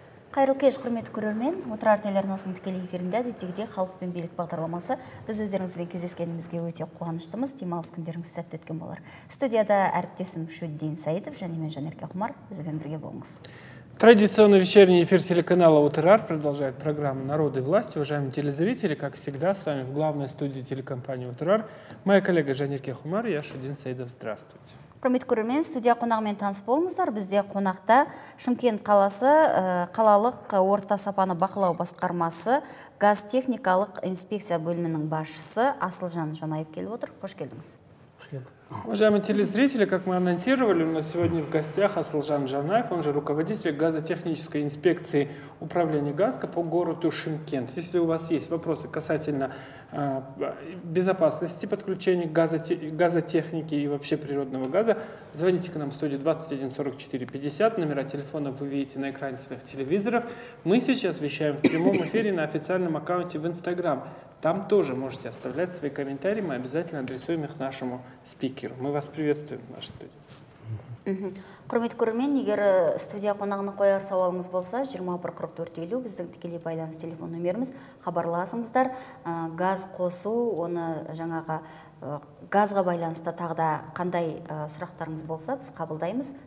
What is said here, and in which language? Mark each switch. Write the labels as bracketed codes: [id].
[kk] Қайырлы кеш, құрметті көрермен. Отырар телеарнасының тікелей эфирінде әдеттегідей халық пен билік бағдарламасы. Біз өздеріңізбен кездескенімізге өте қуаныштымыз. Демалыс күндеріңіз сәтті өткен болар. Студияда әріптесім Шүддин Саидов және мен Жанерке Құмар. Бізбен бірге болыңыз. [ru] Традиционно вечерний эфир телеканала УТРАР продолжает программу «Народ и власть». Уважаемые телезрители, как всегда, с вами в главной студии телекомпании УТРАР моя коллега Жанерке Хумар, я Шүддин Саидов. Здравствуйте. [kk] Құрметті көрермен, студия қонағымен танысып болыңыздар. Бізде қонақта Шымкент қаласы, қалалық орта сапаны бақылау басқармасы, газ техникалық инспекция бөлімінің басшысы Асылжан Жанаев келіп отыр. Қош келдіңіз. Қош келдім. [ru] Уважаемые телезрители, как мы анонсировали, у нас сегодня в гостях Асылжан Жанаев, он же руководитель газотехнической инспекции управления ГАЗКО по городу Шымкент. Если у вас есть вопросы касательно безопасности подключения газотехники и вообще природного газа, звоните к нам в студию 214450, номера телефона вы видите на экране своих телевизоров. Мы сейчас вещаем в прямом эфире на официальном аккаунте в Инстаграм. Там тоже можете оставлять свои комментарии, мы обязательно адресуем их нашему спикеру. Мы вас приветствуем в нашей студии. [kk] Құрметті көрермен, егер студия қонағына қояр сауалыңыз болса, 21-44-50 біздің тікелей байланыс телефон номеріміз, хабарласыңыздар. Газ қосу, оны жаңаға газға байланысты тағда қандай сұрақтарыңыз болса, біз қабылдаймыз.